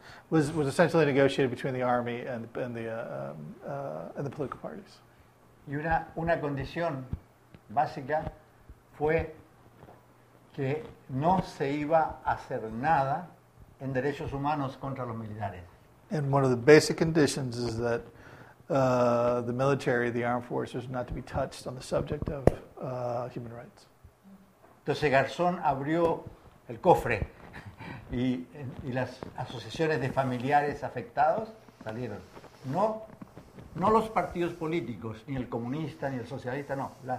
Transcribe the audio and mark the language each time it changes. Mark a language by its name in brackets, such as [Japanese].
[English] Was essentially negotiated between the army and the political parties. [Spanish] Y una condición básica fue que no se iba a hacer nada en derechos humanos contra los militares. [English] And one of the basic conditions is that the military, the armed forces, not to be touched on the subject of human rights. [Spanish] Entonces Garzón abrió el cofre y las asociaciones de familiares afectados salieron. No los partidos políticos, ni el comunista, ni el socialista, no.